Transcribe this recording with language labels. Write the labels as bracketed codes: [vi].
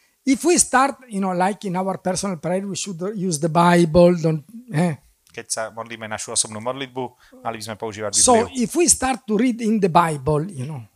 [en] If we start, you know, like in our personal prayer, we should use the Bible. [sk] Keď sa modlíme našu osobnú modlitbu, mali by sme používať Bibliu. [en] So, if we start to read in the Bible, you know.